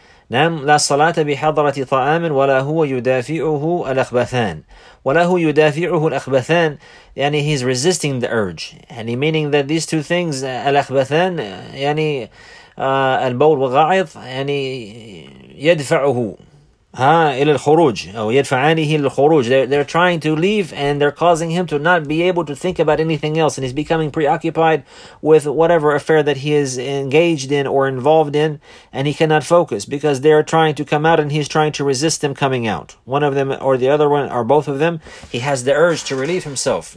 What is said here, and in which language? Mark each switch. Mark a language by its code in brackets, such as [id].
[ar] نعم لا صلاة بحضرة طعام ولا هو يدافعه الأخبثان ولا هو يدافعه الأخبثان. [en] He's resisting the urge, meaning that these two things, [ar] الأخبثان البول وغائط يدفعه إلى الخروج أو يدفعانه للخروج. [en] They're trying to leave and they're causing him to not be able to think about anything else, and he's becoming preoccupied with whatever affair that he is engaged in or involved in, and he cannot focus because they're trying to come out and he's trying to resist them coming out. One of them or the other one or both of them, he has the urge to relieve himself.